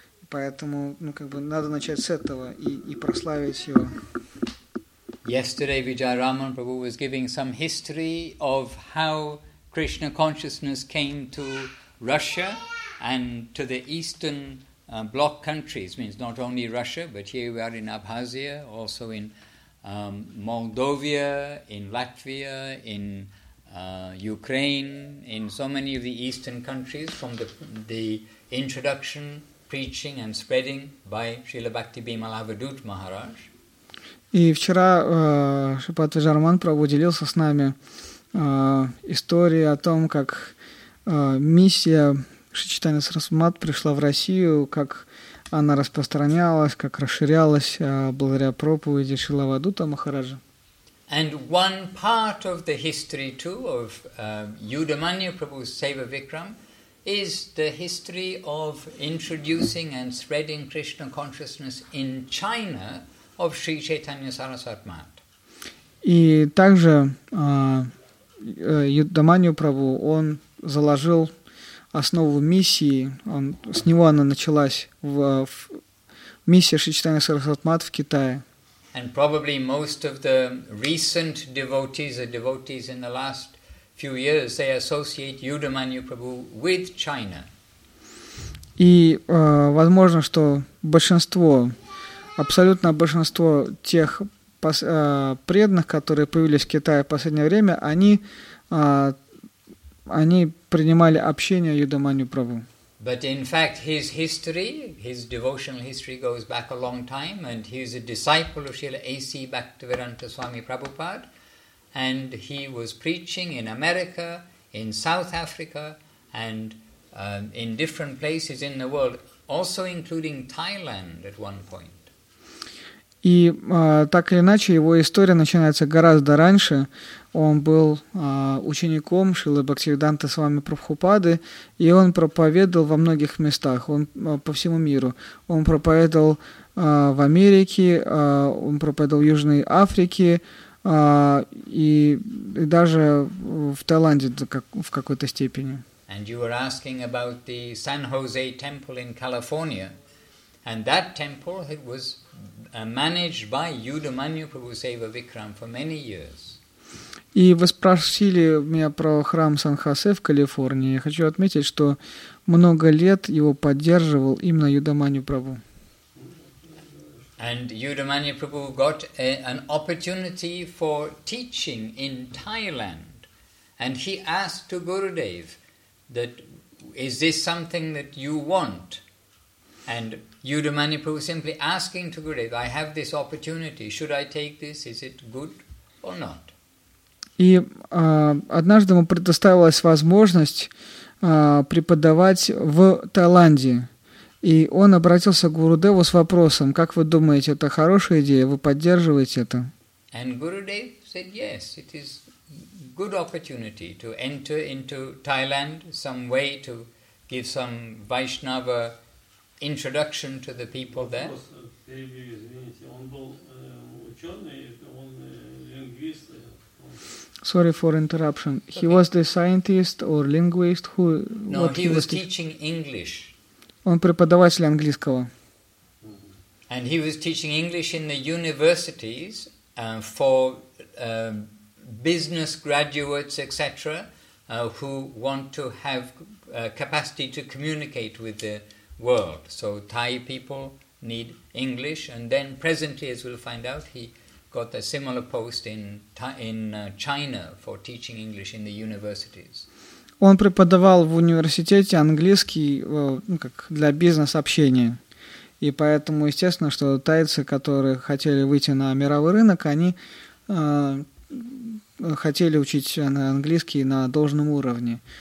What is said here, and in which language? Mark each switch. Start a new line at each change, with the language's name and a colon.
Russian: Поэтому, надо начать с этого и прославить его.
English: Yesterday Vijayaraman Prabhu was giving some history of how Krishna consciousness came to Russia and to the eastern bloc countries, means not only Russia, but here we are in Abkhazia, also in Moldova, in Latvia, in Ukraine, in so many of the eastern countries from the introduction preaching and spreading by Srila Bhakti Bimala Vidut Maharaj.
Russian: И вчера Шипат Вижараман Прабху делился с нами историей о том, как миссия Шри Чайтанья Сарасвати пришла в Россию, как она распространялась, как расширялась благодаря проповеди Шрилы Вадута Махараджа.
English: And one part of the history too of Yudhamanyu Prabhu's Seva Vikram is the history of introducing and spreading Krishna consciousness in China of Sri Chaitanya Sarasvati Maharaj.
Russian: И также Юдаманью Прабху он заложил основу миссии, с него она началась в миссии Шри Чайтанья Сарасвати Матхи в Китае.
English: And probably most of the recent devotees, the devotees in the last few years, they associate Yudhamanyu Prabhu with China.
Russian: И возможно, что большинство, абсолютное большинство тех преданных, которые появились в Китае в последнее время, они принимали общение Юдаманью Прабху.
English: But in fact, his history, his devotional history goes back a long time, and he is a disciple of Srila A.C. Bhaktivedanta Swami Prabhupada. And he was preaching in America, in South Africa, and in different places in the world, also including Thailand at one point.
Russian: И так или иначе, его история начинается гораздо раньше. Он был учеником Шрилы Бхактивиданты Свами Прабхупады, и он проповедовал во многих местах, он по всему миру. Он проповедовал в Америке, он проповедовал в Южной Африке, и даже в Таиланде в какой-то степени.
English: And you were asking about the San Jose temple in California, and that temple it was managed by Yudhamanyu Prabhu Seva Vikram for many years.
Russian: И вы спросили меня про храм Сан-Хосе в Калифорнии. Я хочу отметить, что много лет его поддерживал именно Юдаманью Прабху.
English: And Yudhamanyu Prabhu got an opportunity for teaching in Thailand. And he asked to Gurudev, that is this something that you want? And Yudhamanyu Prabhu simply asking to Gurudev, I have this opportunity, should I take this? Is it good or not?
Russian: И однажды ему предоставилась возможность преподавать в Таиланде. И он обратился к Гурудеву с вопросом, как вы думаете, это хорошая идея, вы поддерживаете это?
English: And Gurudev said, yes, it is good opportunity to enter into Thailand, some way to give some Vaishnava introduction to the people there.
Russian: Вопрос, перебью, извините, он был ученый, он лингвист.
English: Sorry for interruption. He was the scientist or linguist who... No, he was teaching English.
Russian: Он преподаватель английского.
English: And he was teaching English in the universities for business graduates, etc., who want to have capacity to communicate with the world. So Thai people need English, and then presently, as we'll find out, he got a similar post in China for teaching English in the universities.
Russian: Он преподавал в университете английский, ну, как для бизнес-общения. И поэтому, естественно, что тайцы, которые хотели выйти на мировой рынок, они хотели учить английский на должном уровне.